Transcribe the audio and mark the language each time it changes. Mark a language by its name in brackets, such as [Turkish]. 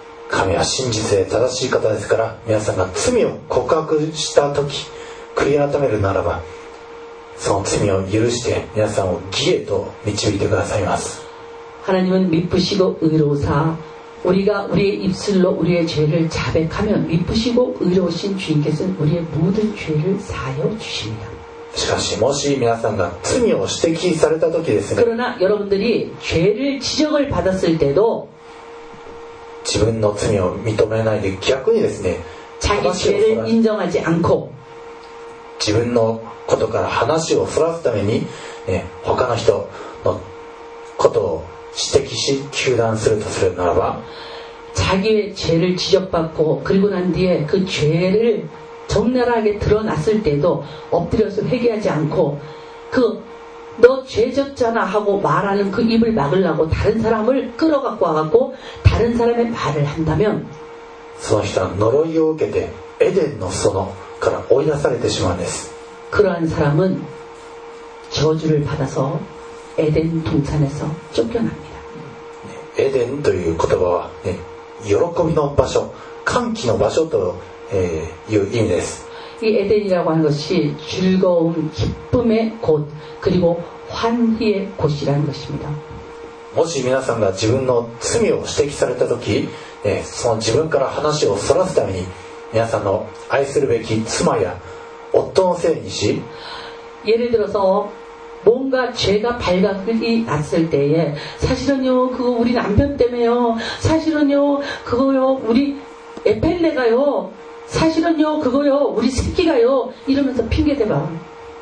[Japanese] 神は真実で正しい方ですから皆さんが罪を告白した時悔い改めるならばその罪を許して皆さんを義へと導いてくださいます [Korean] 하나님은미쁘시고의로우사우리가우리의입술로우리의죄를자백하면미쁘시고의로우신주님께서는우리의모든죄를사여주십니다 [Japanese] しかしもし皆さんが罪を指摘された時ですね [Korean] 그러나여러분들이죄를지적을받았을때도 [Japanese] 自分の罪を認めないで逆にですね [Korean] 자기죄를인정하지않고 [Japanese] 自分のことから話をそらすために、他の人のことを指摘し糾弾するとするならば、 [Korean] 자기의죄를지적받고그리고난뒤에그죄를정렬하게드러났을때도엎드려서회개하지않고그너죄졌잖아하고말하는그입을막으려고다른사람을끌어갖고와갖고다른사람의말을한다면 [Japanese] その人は呪いを受けてエデンの園から追い出されてしまうんです。 [Korean] 그러한사람은저주를받아서에덴동산에서쫓겨납니다。 [Japanese] エデンという言葉は、喜びの場所、歓喜の場所と、いう意味です。 [Korean] 이에덴이라고하는것이즐거운기쁨의곳그리고환희의곳이라는것입니다。 [Japanese] もし皆さんが自分の罪を指摘された時、その自分から話をそらすために皆さんの愛するべき妻や夫のせいにし、 [Korean] 예를들어서뭔가죄가발각이났을때에사실은요그거우리남편때문에요사실은요그거요우리에펠레가요사실은요그거요우리새끼가요이러면서핑계대방